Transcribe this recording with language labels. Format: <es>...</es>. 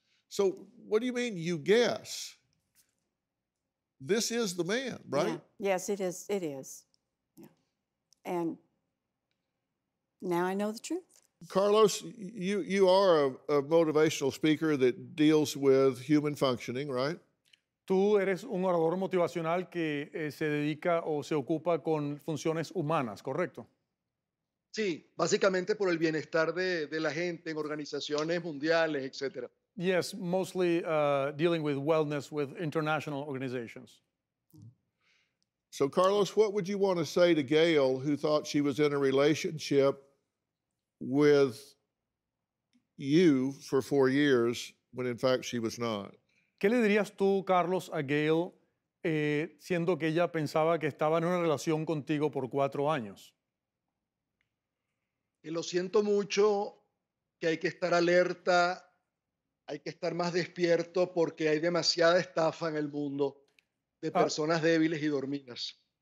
<en>So what do you mean you guess? This is the man, right? Yeah. Yes, it is. It is. Yeah. And now I know the truth. Carlos, you are a motivational speaker that deals with human functioning, right?</en> <es>Tú eres un orador motivacional que se dedica o se ocupa con funciones humanas, ¿correcto? Sí, básicamente por el bienestar de la gente en organizaciones mundiales, etc.</es> <en>Yes, mostly dealing with wellness with international organizations. So, Carlos, what would you want to say to Gail, who thought she was in a relationship with you for 4 years, when in fact she was not?</en> <es>¿Qué le dirías tú, Carlos, a Gail, siendo que ella pensaba que estaba en una relación contigo por 4 años? Que lo siento mucho, que hay que estar alerta, hay que estar más despierto, porque hay demasiada estafa en el mundo de personas débiles y dormidas.</es>